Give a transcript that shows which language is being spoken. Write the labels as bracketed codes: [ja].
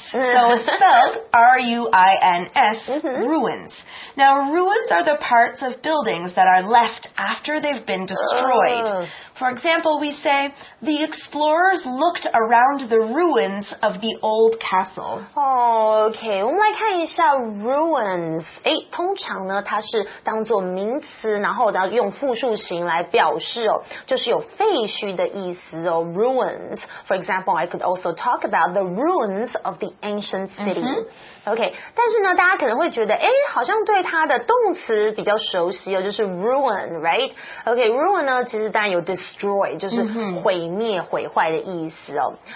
[en] So it's spelled R-U-I-N-S, ruins. Now, ruins are the parts of buildings that are left after they've been destroyed. For example, we say, the explorers looked around the ruins of the old castle. [zh] Okay, 我们来看一下 ruins. 诶，通常呢，它是当作名词，然后用复数形来表示哦，就是有废墟的意思哦 ,ruins. [en] For example, I could also talk about the ruins of the ancient city. [zh] Okay, 但是呢，大家可能会觉得，诶，好像对它的动词比较熟悉哦，就是 ruin, right? Okay, ruin 呢，其实当然有 destroy, 就是毁灭、毁坏的意思哦。